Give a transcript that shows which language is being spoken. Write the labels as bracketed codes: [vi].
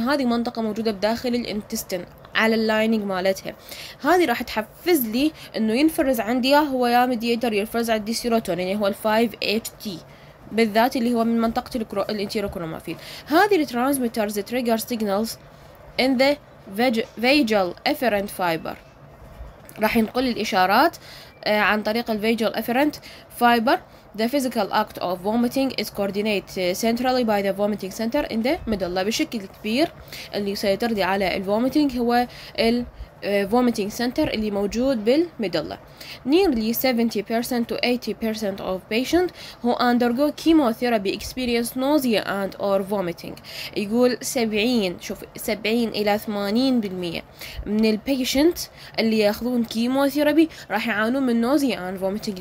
[ar] هذه منطقة موجودة بداخل الانتستين على اللايننج مالتها، هذه راح تحفز لي انه ينفرز عندي هو يا ميدييتر يفرز عندي سيروتونين اللي هو ال5HT بالذات اللي هو من منطقة الانتيروكروموفين. [en] هذه الترانسميترز تريجر سيجنالز ان ذا فيجال افيرنت فايبر، [ar] راح ينقل الاشارات عن طريق [en] الفيجال afferent fibre. The physical act of vomiting is coordinated centrally by the vomiting center in the medulla. [ar] بشكل كبير اللي سيطر دي على الvomiting هو ال vomiting center اللي موجود بالmedulla. [en] Nearly 70% to 80% of patients who undergo chemotherapy experience nausea and or vomiting. [ar] يقول 70، شوف 70 إلى 80% من البيشنت اللي ياخذون كيموثيرابي راح يعانون من [en] nausea and vomiting.